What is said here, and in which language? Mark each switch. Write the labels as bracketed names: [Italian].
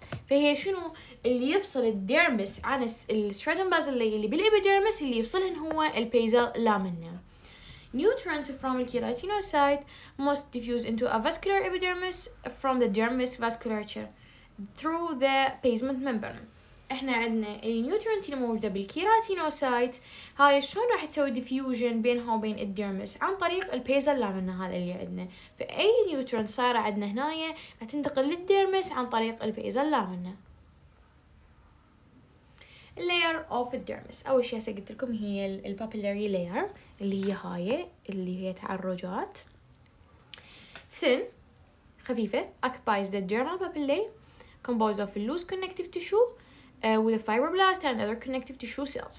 [Arabic] فهي شنو اللي يفصل الديرمس عن الستريتوم بازلي اللي بالابيديرمس اللي يفصلهن؟ هو البيزل لامنا. [English] Nutrients from the keratinocyte must diffuse into a vascular epidermis from the dermis vasculature through the basement membrane. [Arabic] احنا عندنا النيوترينت الموجودة بالكيراتينوسايت هاي شلون راح تسوي diffusion بينها وبين الديرمس؟ عن طريق البيزل لامنا هذا اللي عندنا. فأي نيوترينت صار عندنا هنا تنتقل للديرمس عن طريق البيزل لامنا. [English] Layer of the dermis. [Arabic] أول شيء سأقول لكم هي ال papillary layer اللي هي هاي اللي هي تعرجات. [English] Thin [Arabic] خفيفة [English] occupies the dermal papillae composed of loose connective tissue with fibroblasts and other connective tissue cells.